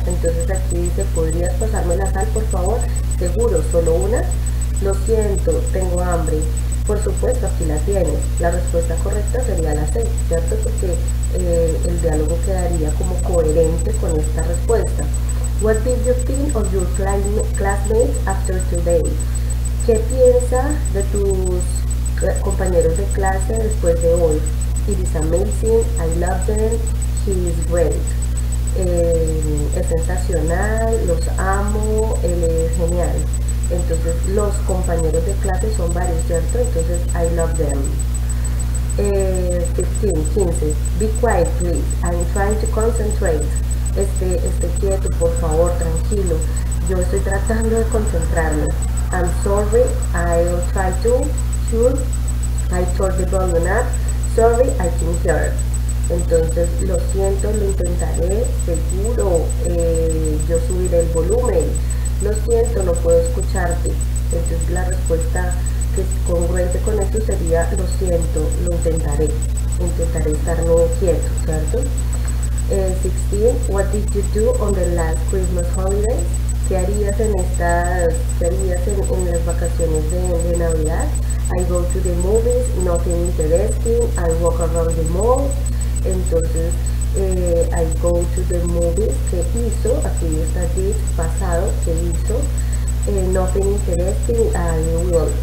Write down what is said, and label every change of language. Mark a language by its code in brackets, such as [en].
[es] Entonces aquí dice, ¿podrías pasarme la sal, por favor? Seguro, solo una. Lo siento, tengo hambre. Por supuesto, aquí la tienes. La respuesta correcta sería la C, ¿cierto? Porque el diálogo quedaría como coherente con esta respuesta. [en] What did you think of your classmates after today? [es] ¿Qué piensas de tus compañeros de clase después de hoy? [en] It is amazing, I love them, he is great. [es] Es sensacional, los amo, él es Entonces, los compañeros de clase son varios, ¿cierto? Entonces, [en] I love them. 15. Be quiet, please. I'm trying to concentrate. [es] Esté quieto, por favor, tranquilo. Yo estoy tratando de concentrarme. [en] I'm sorry, I'll try to. Sure, I turned the volume up. Sorry, I can't hear. [es] Entonces, lo siento, lo intentaré. Seguro, yo subiré el volumen. Lo siento, no puedo escucharte. Entonces, la respuesta que es congruente con eso sería, lo siento, lo intentaré. Intentaré estar no quieto, ¿cierto? 16. [en] What did you do on the last Christmas holiday? [es] ¿Qué harías en estas, qué harías en las vacaciones de Navidad? [en] I go to the movies, nothing interesting. I walk around the mall. [es] Entonces, [en] I go to the movies. [es] ¿Qué hizo? Aquí está [en] this [es] pasado. ¿Qué hizo? [en] Nothing interesting. I will.